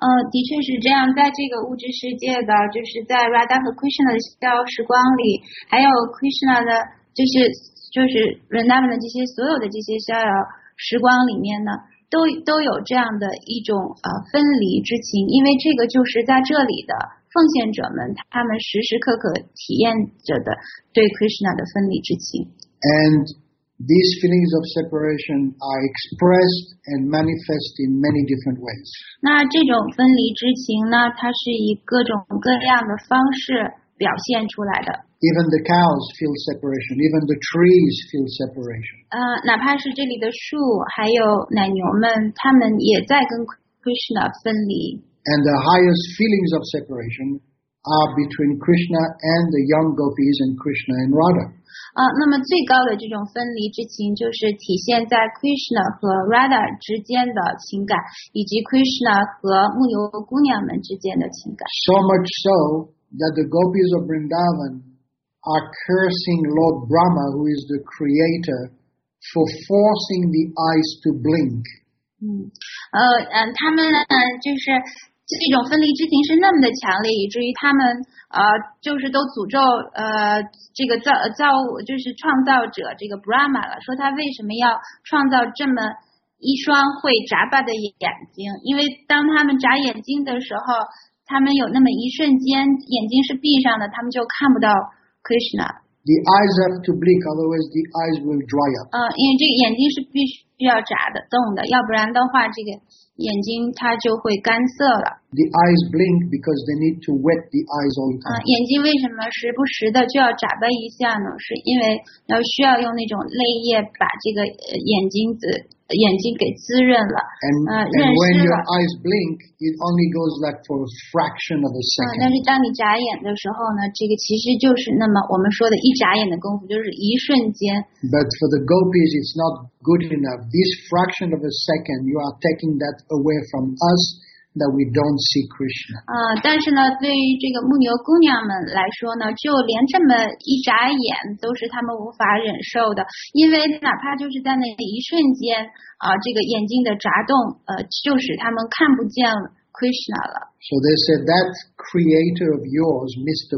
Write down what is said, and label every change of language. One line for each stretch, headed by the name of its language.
Chinese: 的确是这样，在这个物质世界的，就是在 Radha 和 Krishna 的逍遥时光里，还有 Krishna 的，就是 Vrindavan 的这些所有的这些逍遥时光里面呢，都有这样的一种分离之情，因为这个就是在这里的奉献者们，他们时时刻刻体验着的对 Krishna 的分离之情。
English: And these feelings of separation are expressed and manifest in many different ways.
Chinese: 那这种分离之情呢，它是以各种各样的方式表现出来的。
English: Even the cows feel separation. Even the trees feel separation.
Chinese: 哪怕是这里的树，还有奶牛们，他们也在跟 Krishna 分离。
English: And the highest feelings of separation are between Krishna and the young gopis and Krishna and Radha.
Chinese: 那么最高的这种分离之情，就是体现在 Krishna 和 Radha 之间的情感，以及 Krishna 和牧牛姑娘们之间的情感。
English: So much so that the gopis of Vrindavan. Are cursing Lord Brahma, who is the creator, for forcing the eyes to blink.
Chinese: 他们呢，就是这种分离之情是那么的强烈，以至于他们就是都诅咒这个造就是创造者这个 Brahma 了，说他为什么要创造这么一双会眨巴的眼睛？因为当他们眨眼睛的时候，他们有那么一瞬间眼睛是闭上的，他们就看不到。 Krishna.
English: The eyes have to blink, otherwise the eyes will dry up.
Chinese: 因为这个眼睛是必须要眨的、动的，要不然的话，这个眼睛它就会干涩了。
English: The eyes blink because they need to wet the eyes all the time.
Chinese: 眼睛为什么时不时的就要眨巴一下呢？是因为要需要用那种泪液把这个眼睛给滋润了，润湿了。
English: And when your eyes blink, it only goes like for a fraction of a second.
Chinese: 但是当你眨眼的时候呢，这个其实就是那么我们说的一眨眼的功夫，就是一瞬间。
English: But for the gopis, it's not good enough. This fraction of a second, you are taking that away from us, that we don't see Krishna.
Chinese: 但是呢，对于这个牧牛姑娘们来说呢，就连这么一眨眼都是她们无法忍受的，因为哪怕就是在那一瞬间，这个眼睛的眨动，就使她们看不见了。 Krishna 了
English: So they said that creator of yours, Mr.